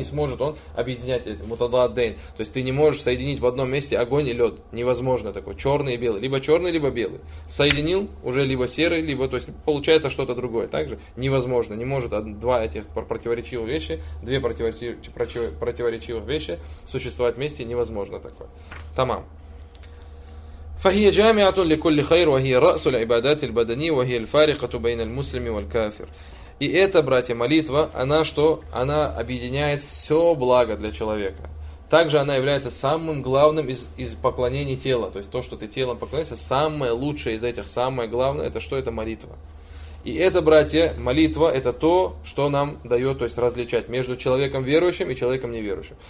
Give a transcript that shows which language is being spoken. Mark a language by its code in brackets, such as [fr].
[ru] Не сможет он объединять это. Мутададдейн. То есть ты не можешь соединить в одном месте огонь и лед. Невозможно такое. Черный и белый. Либо черный, либо белый. Соединил уже либо серый, либо... То есть получается что-то другое. Также невозможно. Не может два этих противоречивых вещи, две противоречивых вещи существовать вместе. Невозможно такое. Тамам. [ar] فهي جامعة لكل خير وهي رأس العبادات البدنية وهي الفارقة بين المسلم والكافر. [ru] И эта, братья, молитва, она что? Она объединяет все благо для человека. Также она является самым главным из поклонений тела. То есть то, что ты телом поклоняешься, самое лучшее из этих, самое главное, это что? Это молитва. И это, братья, молитва, это то, что нам дает, то есть, различать между человеком верующим и человеком неверующим.